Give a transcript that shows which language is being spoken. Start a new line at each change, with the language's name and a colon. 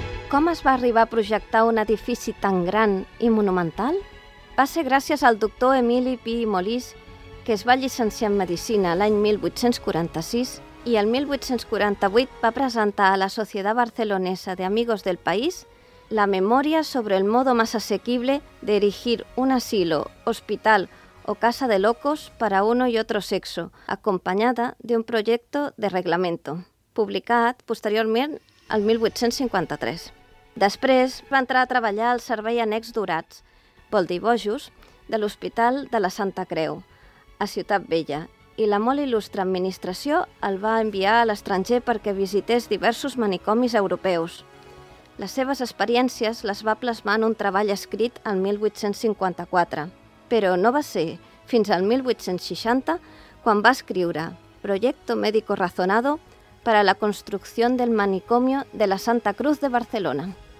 Catalan: Com es va arribar a projectar un edifici tan gran i monumental? Va ser gràcies al doctor Emili Pi i Molís, que que es va llicenciar en Medicina l'any 1846 i el 1848 va presentar a la Sociedad Barcelonesa de Amigos del País la memòria
Spanish: sobre el modo más asequible de erigir un asilo, hospital o casa de locos para uno y otro sexo, acompañada de un proyecto de reglamento,
Catalan: publicat posteriorment el 1853. Després va entrar a treballar al servei annex d'Orats, vol dir bojos, de l'Hospital de la Santa Creu, a Ciutat Vella, i la molt il·lustre administració el va enviar a l'estranger perquè visités diversos manicomis europeus. Les seves experiències les va plasmar en un treball escrit el 1854, però no va ser fins al 1860 quan va escriure
Spanish: Proyecto Médico Razonado para la construcción del manicomio de la Santa Cruz de Barcelona.